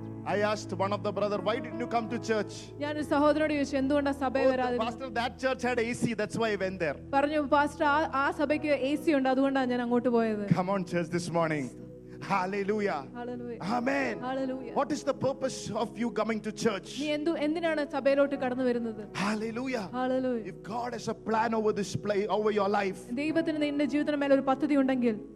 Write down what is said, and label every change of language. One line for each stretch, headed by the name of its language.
English: I asked one of the brother, why didn't you come to church?
Malayalam: ഞാൻ ഒരു സഹോദരനോട് ചോദിച്ചു, എന്തുകൊണ്ട് സഭയിൽ വരാതിരുന്നത്?
English: Pastor, that church had AC, that's why I went there.
Malayalam: പറഞ്ഞു, pastor, ആ സഭയ്ക്ക് AC ഉണ്ട്, അതുകൊണ്ടാണ് ഞാൻ അങ്ങോട്ട് പോയത്.
English: Come on, church, this morning. Hallelujah. Hallelujah. Amen. Hallelujah. What is the purpose of you coming to church?
Malayalam: നീ എന്തിനാണ് സഭയിലോട്ട് കടന്നു വരുന്നത്?
English: Hallelujah. Hallelujah. If God has a plan over this place, over your life.
Malayalam: ദൈവത്തിന് നിന്റെ ജീവിതത്തിന് മേൽ ഒരു പദ്ധതി ഉണ്ടെങ്കിൽ